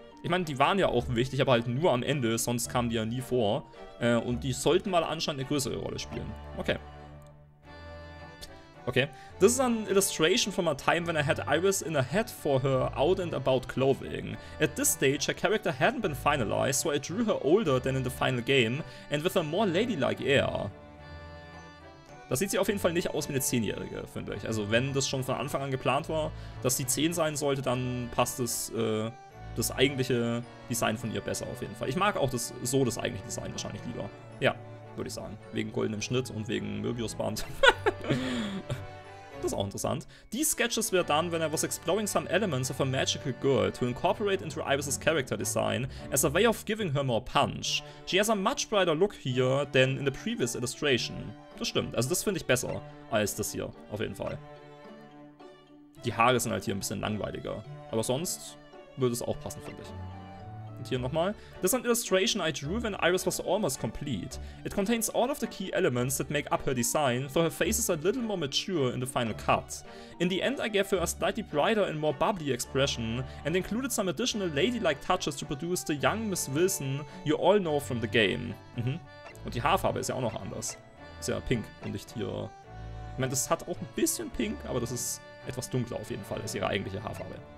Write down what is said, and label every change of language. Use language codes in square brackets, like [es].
[de] Ich meine, die waren ja auch wichtig, aber halt nur am Ende, sonst kamen die ja nie vor. Und die sollten mal anscheinend eine größere Rolle spielen. Okay. [en] This is an illustration from a time when I had Iris in a hat for her out and about clothing. At this stage, her character hadn't been finalized, so I drew her older than in the final game and with a more ladylike air. [de] Das sieht sie auf jeden Fall nicht aus wie eine 10-Jährige, finde ich. Also wenn das schon von Anfang an geplant war, dass sie 10 sein sollte, dann passt das eigentliche Design von ihr besser auf jeden Fall. Ich mag auch das eigentliche Design wahrscheinlich lieber. Ja, würde ich sagen. Wegen goldenem Schnitt und wegen Möbiusband. Das ist auch interessant. [en] These sketches were done when I was exploring some elements of a magical girl to incorporate into Iris' character design as a way of giving her more punch. She has a much brighter look here than in the previous illustration. [de] Das stimmt, also das finde ich besser als das hier, auf jeden Fall. Die Haare sind halt hier ein bisschen langweiliger, aber sonst würde es auch passen, finde ich. Und hier nochmal. [en] This is an illustration I drew when Iris was almost complete. It contains all of the key elements that make up her design, so her face is a little more mature in the final cut. In the end I gave her a slightly brighter and more bubbly expression and included some additional ladylike touches to produce the young Miss Wilson you all know from the game. [de] Und die Haarfarbe ist ja auch noch anders. Ist ja pink und nicht hier. Ich meine, das hat auch ein bisschen pink, aber das ist etwas dunkler auf jeden Fall als ihre eigentliche Haarfarbe.